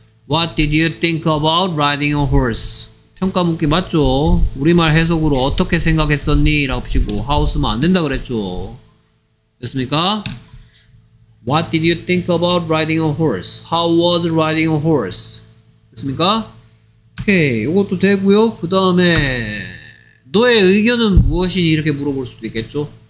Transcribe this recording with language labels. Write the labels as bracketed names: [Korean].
[English] What did you think about riding a horse? [Korean] 평가 묻기 맞죠? 우리말 해석으로 어떻게 생각했었니? 라고 하시고 how 쓰면 안 된다 그랬죠. 됐습니까? [English] What did you think about riding a horse? How was riding a horse? [Korean] 됐습니까? 오케이 이것도 되고요. 그 다음에 너의 의견은 무엇이니? 이렇게 물어볼 수도 있겠죠.